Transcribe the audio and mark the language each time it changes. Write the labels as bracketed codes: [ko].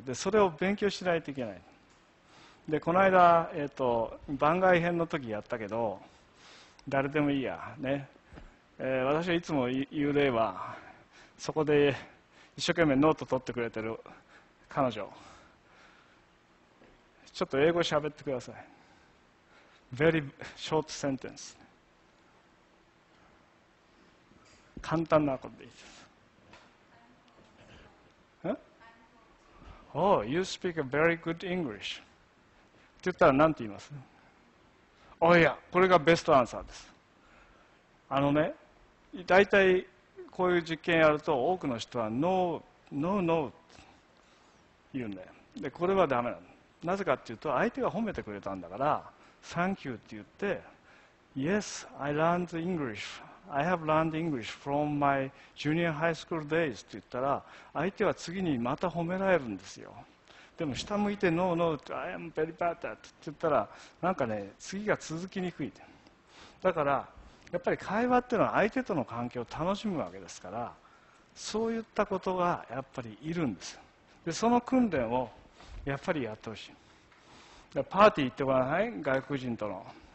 [ja] で、それを勉強しないといけない。で、この間、番外編の時やったけど、誰でもいいやね、私はいつも言う例は、そこで一生懸命ノート取ってくれてる彼女、ちょっと英語喋ってください。 [en] Very short sentence、 [ja] 簡単なことでいいです。ん？ [en] Oh, you speak a very good English [ja] って言ったら何て言います？ [en] Oh yeah、 [ja] これがベストアンサーです。あのね、大体こういう実験やると、多くの人はノーノーノーって言うんだよ。で、これはダメなの。なぜかっていうと、相手が褒めてくれたんだから、サンキューって言って [en] Yes, I learned English. I have learned English from my junior high school days. [ja] と言ったら、相手は次にまた褒められるんですよ。でも下向いて、 [en] No, no, I am very bad. [ja] と言ったら、なんかね、次が続きにくい。だから、やっぱり会話っていうのは相手との関係を楽しむわけですから、そういったことがやっぱりいるんです。で、その訓練をやっぱりやってほしい。で、パーティー行ってごらんなさい、外国人との。